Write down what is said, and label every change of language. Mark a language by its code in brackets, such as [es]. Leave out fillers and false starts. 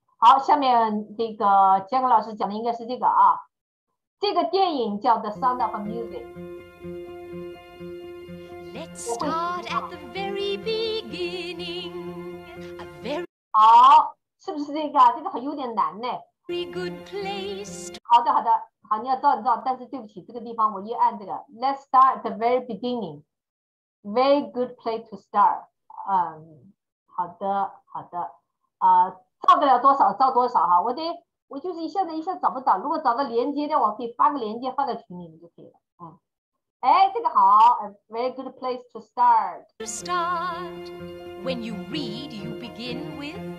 [zh] 好，下面这个杰克老师讲的应该是这个啊，这个电影叫《The Sound of Music》。 [en] Let's start at the very beginning. A very [zh] 好，是不是这个？这个有点难呢。 [en] Good place. [zh] 好的，好，你要照一照，但是对不起，这个地方我一按这个 ， [en] Let's start at the very beginning. Very good place to start. [zh] 好的，照得了多少照多少哈，我就是一下找不到，如果找到连接的，我可以发个连接发到群里面就可以了。这个好 [en] ，a very good place to start. To start, when you read, you begin with